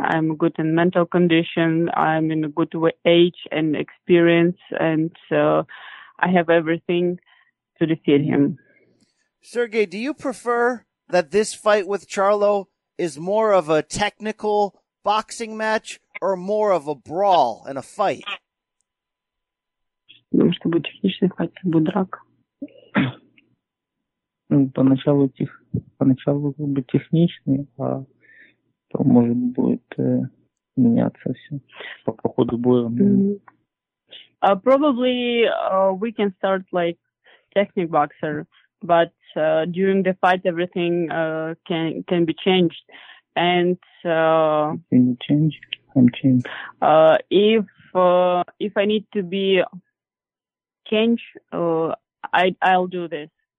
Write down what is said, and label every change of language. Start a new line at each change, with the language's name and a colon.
English: I'm good in mental condition. I'm in a good age and experience, and I have everything to defeat him. Sergey, do you prefer that this fight with Charlo is more of a technical boxing match or more of a brawl and a fight?
Russian: Думаю, что будет техничный фight, как бы драка. Ну, поначалу как бы техничный, а то может будет меняться все по ходу боя.
English: Probably we can start like technic boxer, but during the fight, everything can be changed. And can you change? I'm changed. If I need to be changed, I'll do this.